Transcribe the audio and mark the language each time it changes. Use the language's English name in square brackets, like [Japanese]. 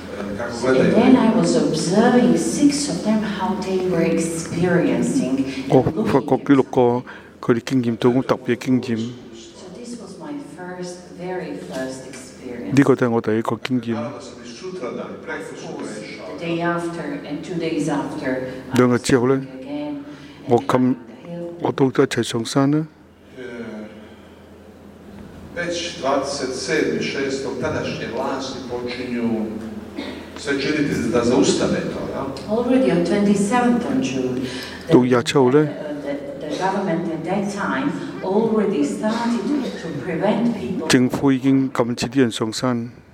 [English] And then I was observing six of them how they were experiencing. [Cantonese] 我發覺呢六個佢哋經驗到好特別經驗。 [English] So this was my first, very first experience. [Cantonese] 呢個都係我第一個經驗。 [English] The day after and 2 days after. [Cantonese] 兩日之後咧，我今我都一齊上山啦。 [English] Already on 27th of June, the government at that time already started to prevent people. [Cantonese] 政府已經禁止啲人上山。